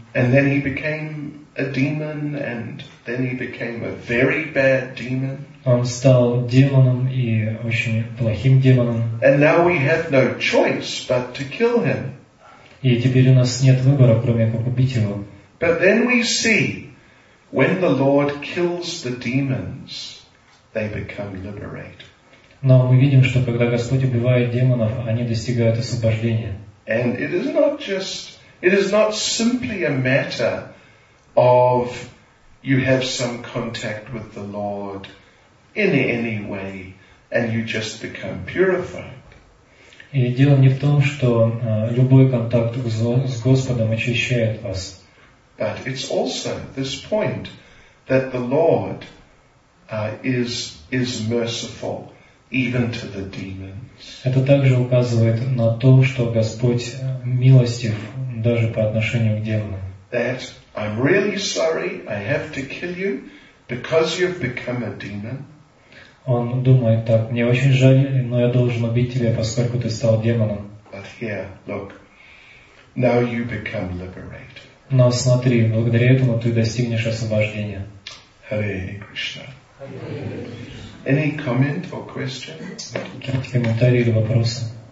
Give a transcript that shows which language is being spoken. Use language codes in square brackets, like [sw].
[en] And then he became a demon, and then he became a very bad demon. [ru] Он стал демоном и очень плохим демоном. [en] And now we have no choice but to kill him. [ru] И теперь у нас нет выбора, кроме как убить его. [en] But then we see when the Lord kills the demons. They become liberated. [ru] Но мы видим, что когда Господь убивает демонов, они достигают освобождения. [en] And it is not simply a matter of you have some contact with the Lord in any way and you just become purified. [ru] И дело не в том, что любой контакт с Господом очищает вас. [en] But it's also this point that the Lord is merciful even to the demons. [ru] Это также указывает на то, что Господь милостив даже по отношению к демонам. [en] That I'm really sorry, I have to kill you because you've become a demon. [ru] Он думает так: мне очень жаль, но я должен убить тебя, поскольку ты стал демоном. [en] But here, look, now you become liberated. [ru] Но смотри, благодаря этому ты достигнешь освобождения. [en] Hare Krishna. Any comment or question? [ru] Какие комментарии или вопросы?